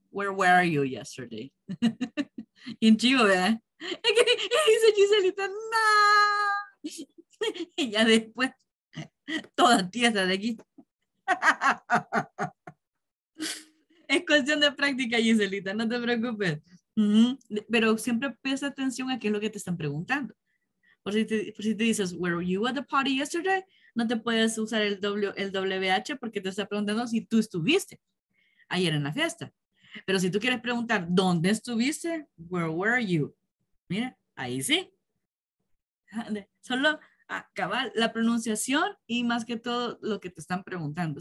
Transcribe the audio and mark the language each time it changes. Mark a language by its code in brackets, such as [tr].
[en] Where are you yesterday? [es] Y en chivo, ¿verdad? Y dice Giselita, ¡no! Y ya después, toda tiesa de aquí. Es cuestión de práctica, Giselita, no te preocupes. Uh-huh. Pero siempre presta atención a qué es lo que te están preguntando. Por si te dices, [en] were you at the party yesterday? [es] No te puedes usar el WH porque te está preguntando si tú estuviste ayer en la fiesta. Pero si tú quieres preguntar, ¿dónde estuviste? [en] Where were you? [es] Mira, ahí sí. Solo acabar la pronunciación y más que todo lo que te están preguntando.